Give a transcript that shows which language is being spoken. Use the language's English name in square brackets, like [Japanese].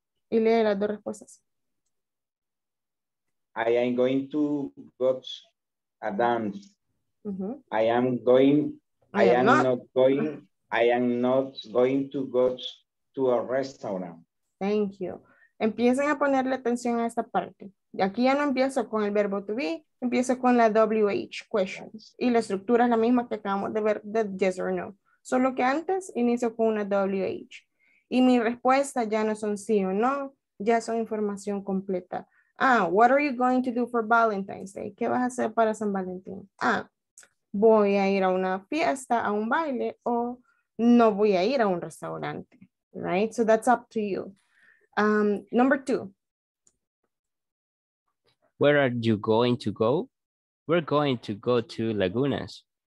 [Spanish] Y lee las dos respuestas. [English] I am going to go to a dance. Mm-hmm. I am not going to go to a restaurant. Thank you. [Spanish] Empiecen a ponerle atención a esta parte. Y aquí ya no empiezo con el verbo to be, empiezo con la WH questions. Y la estructura es la misma que acabamos de ver de [English] yes or no. [Spanish] Solo que antes inicio con una WH. Y mi respuesta ya no son sí o no, ya son información completa. [English] Ah, what are you going to do for Valentine's Day? [Spanish] ¿Qué vas a hacer para San Valentín? Ah, voy a ir a una fiesta, a un baile, o no voy a ir a un restaurante. [English] Right? So that's up to you. Number 2. Where are you going to go? We're going to go to Lagunas.